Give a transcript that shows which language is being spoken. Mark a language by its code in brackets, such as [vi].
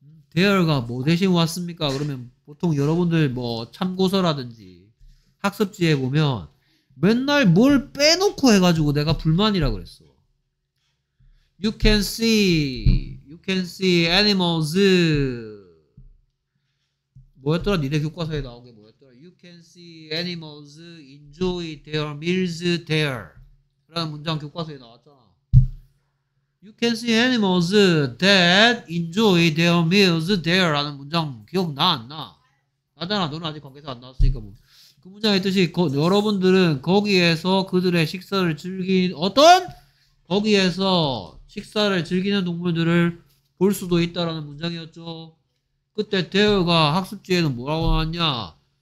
[ko] 대열과 뭐 대신 왔습니까? 그러면 보통 여러분들 뭐 참고서라든지 학습지에 보면 맨날 뭘 빼놓고 해가지고 내가 불만이라 그랬어. [en] You can see animals. [ko] 뭐였더라? 니네 교과서에 나온 게 뭐였더라? [en] You can see animals enjoy their meals there. [ko] 라는 문장 교과서에 나왔잖아. [en] You can see animals that enjoy their meals there. [ko] 라는 문장 기억나 안 나? 나잖아. 너는 아직 관계에서 안 나왔으니까 뭐. 그 문장의 뜻이 여러분들은 거기에서 그들의 식사를 즐긴 어떤? 거기에서 식사를 즐기는 동물들을 볼 수도 있다라는 문장이었죠. 그때 대열가 학습지에는 뭐라고 나왔냐?